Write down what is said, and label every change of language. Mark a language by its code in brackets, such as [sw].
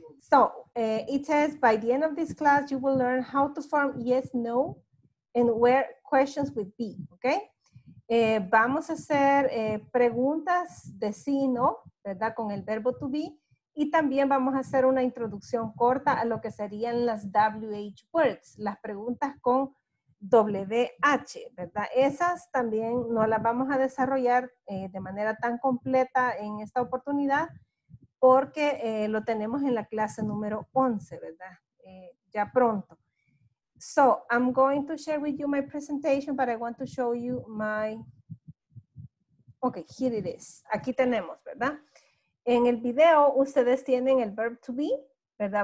[en] So, it says by the end of this class, you will learn how to form yes, no, and where questions would be, okay? [es] Vamos a hacer preguntas de sí y no, ¿verdad? Con el verbo to be. Y también vamos a hacer una introducción corta a lo que serían las WH words, las preguntas con WH, ¿verdad? Esas también no las vamos a desarrollar de manera tan completa en esta oportunidad porque lo tenemos en la clase número 11, ¿verdad? Ya pronto. [en] So, I'm going to share with you my presentation, but I want to show you my... Okay, here it is. Aquí tenemos, ¿verdad? [es] En el video ustedes tienen el verb to be, ¿verdad?